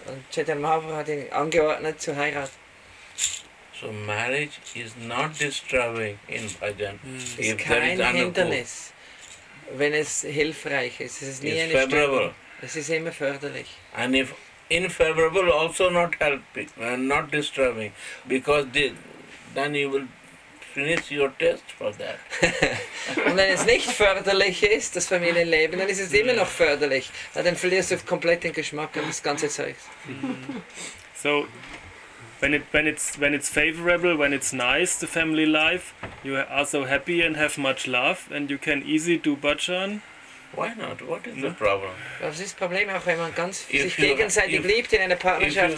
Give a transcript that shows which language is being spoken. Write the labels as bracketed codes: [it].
[de] Und Chaitanya Mahaprabhu hat ihn angeordnet zu heiraten. [en] So marriage is not disturbing in bhajan. [de] Es ist kein Hindernis, wenn es hilfreich ist. Es ist nie eine Störung. Es ist immer förderlich. [en] And if unfavorable, also not helping and not disturbing, because then you will finish your test for that. [de] Und wenn es nicht förderlich ist, das Familienleben, dann ist es immer noch förderlich. Dann verlierst du komplett den Geschmack und das ganze Zeug. [en] So, when it's favorable, when it's nice, the family life, you are so happy and have much love and you can easily do bhajan. Why not? What is the problem? [de] Was ist das Problem, auch wenn man ganz sich gegenseitig liebt in einer Partnerschaft?